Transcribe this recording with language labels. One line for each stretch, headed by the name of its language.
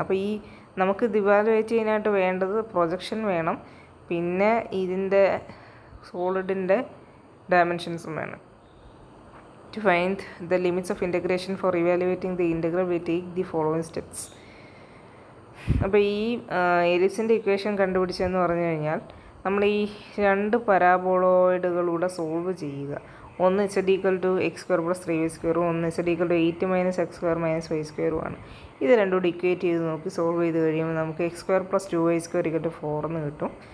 Malayalam: അപ്പോൾ ഈ നമുക്ക് ഇവാലുവേറ്റ് ചെയ്യാനായിട്ട് വേണ്ടത് പ്രൊജക്ഷൻ വേണം, പിന്നെ ഇതിൻ്റെ സോളിഡിൻ്റെ ഡയമെൻഷൻസും വേണം.
English: To find the limits of integration for evaluating the integral, we take the following steps.
Malayalam: അപ്പോൾ ഈ എലിപ്സിൻ്റെ ഇക്വേഷൻ കണ്ടുപിടിച്ചെന്ന് പറഞ്ഞു കഴിഞ്ഞാൽ നമ്മൾ ഈ രണ്ട് പരാബോളോയിഡുകളൂടെ സോൾവ് ചെയ്യുക. ഒന്ന് Z equal to X square plus 3 Y സ്ക്വയറും ഒന്ന് Z equal to 8 minus X square minus Y സ്ക്വയറും ആണ്. ഇത് രണ്ടുകൂടി ഇക്വേറ്റ് ചെയ്ത് നോക്കി സോൾവ് ചെയ്ത് കഴിയുമ്പോൾ നമുക്ക് X square plus 2 Y square equal to 4 എന്ന് കിട്ടും.